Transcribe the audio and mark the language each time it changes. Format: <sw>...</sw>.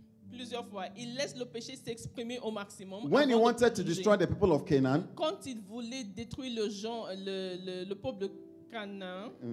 <fr>Plusieurs fois, il laisse le péché s'exprimer au maximum.</fr> <en>When he wanted to destroy the people of Canaan,</en> <fr>quand il voulait détruire le genre, le peuple de Canaan,</fr>